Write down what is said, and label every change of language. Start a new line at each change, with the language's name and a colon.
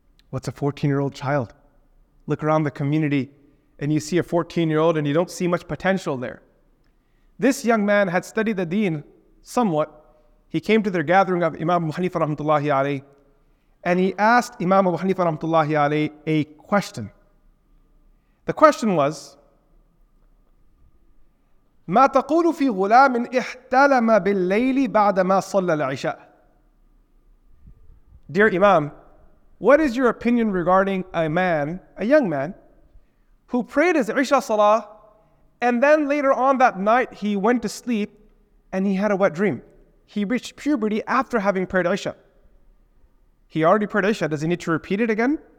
English: What's a 14-year-old child? Look around the community and you see a 14-year-old and you don't see much potential there. This young man had studied the deen somewhat. He came to their gathering of Imam Abu Hanifa rahmatullahi alayhi and he asked Imam Abu Hanifa rahmatullahi alayhi a question. The question was,
Arabic: ما تقول في غلام احتلم بالليل بعدما صلى العشاء.
English: Dear Imam, what is your opinion regarding a man, a young man, who prayed his Isha Salah, and then later on that night he went to sleep and he had a wet dream. He reached puberty after having prayed Isha. He already prayed Isha, does he need to repeat it again?